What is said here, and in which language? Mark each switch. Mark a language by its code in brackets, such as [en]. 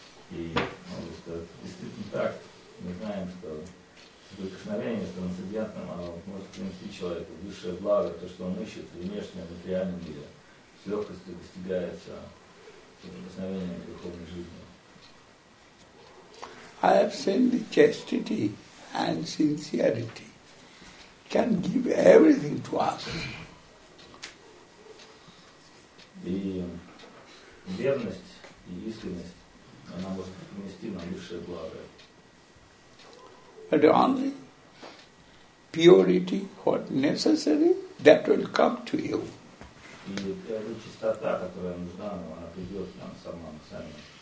[ru] И могу сказать, действительно так, мы знаем, что прикосновение с трансцендентным, оно может принести человеку высшее благо, то, что он ищет в внешнем материальном мире, с легкостью достигается прикосновения к духовной жизни. [en] I have seen the chastity and sincerity can give everything to us. [ru] И верность и искренность, она может принести нам высшее благо. [en] But only purity, what necessary, that will come to you. [ru] И эта чистота, которая нужна, она придет нам сама, сами.